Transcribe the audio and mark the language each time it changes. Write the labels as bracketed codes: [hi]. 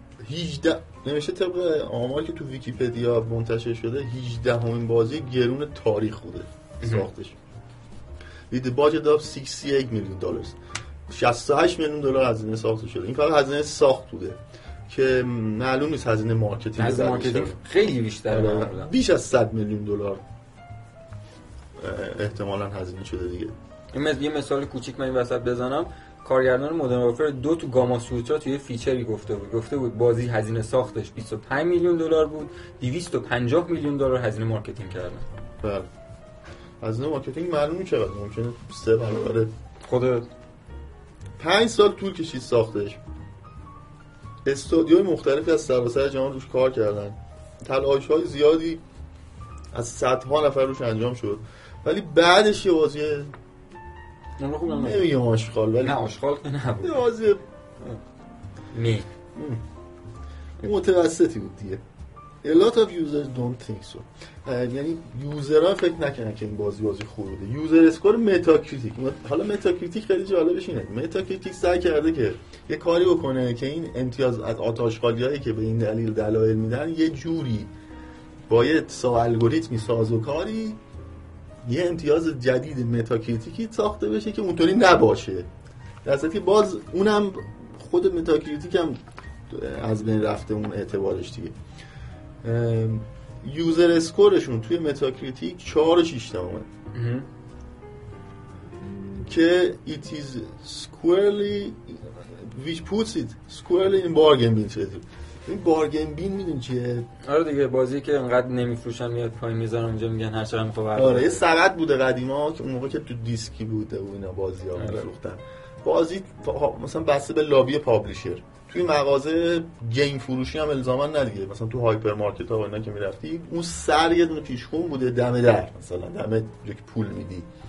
[fa] 18 نمیشه طبق آماری که تو ویکی‌پدیا منتشر شده 18مین بازی گرون تاریخ بوده ساختش. [en] With the budget of $68 million. [fa] 68 میلیون دلار هزینه ساخته شده. این کار هزینه ساخت بوده که معلوم نیست هزینه مارکتینگ بوده. هزینه مارکتینگ خیلی بیشتر بوده. بیش از 100 میلیون دلار احتمالاً هزینه شده دیگه. یه مثال کوچیک من این وسط بزنم. کارگردان مودرن وارفر دو تو گاما سوترا توی فیچری گفته بود. گفته بود بازی هزینه ساختش 25 میلیون دلار بود. 250 میلیون دلار هزینه مارکتینگ کردن. بله. از نوع مارکتینگ معلومی چقدر ممکنه سه برابر خود 5 سال طول کشید ساختش. استودیوهای مختلفی از سراسر جهان روش کار کردن. تلاش‌های زیادی از صدها نفر روش انجام شد. ولی بعدش یه بازی نمیگم آشغال، ولی نه آشغال که نبود. یه بازی متوسطی بود دیگه. [en] A lot of users don't think so. [fa] یعنی یوزرها فکر نکنن که این بازی خوبه بوده. یوزر اسکور متاکریتیک. حالا متاکریتیک خیلی جالبش اینه. متاکریتیک سعی کرده که یه کاری بکنه که این امتیاز از آتش‌خالی‌هایی که به این دلیل دلایل میدن یه جوری با یه الگوریتمی سازوکاری یه امتیاز جدید متاکریتیکی ساخته بشه که اونطوری نباشه. درسته که باز اونم خود متاکریتیک هم از بین رفته اون اعتبارش دیگه. یوزر اسکورشون توی متاکریتیک 4.6 که [en] it is squarely which puts it squarely in bargain bin. [fa] این bargain bin میدونی چیه؟ آره دیگه، بازی که انقدر نمیفروشن میاد پایین میذارن اونجا میگن هر چقدر میخوا. آره یه سقط بوده قدیما که اون موقع که تو دیسکی بوده و اینا بازی ها میفروختن. بازی مثلا بسته به لابی پابلیشر. توی مغازه گیم فروشی هم الزاماً ندیگه، مثلا تو هایپر مارکت ها و اینا که میرفتی اون سر یه دونه پیشخون بوده دم در، مثلا دم یک پول میدی.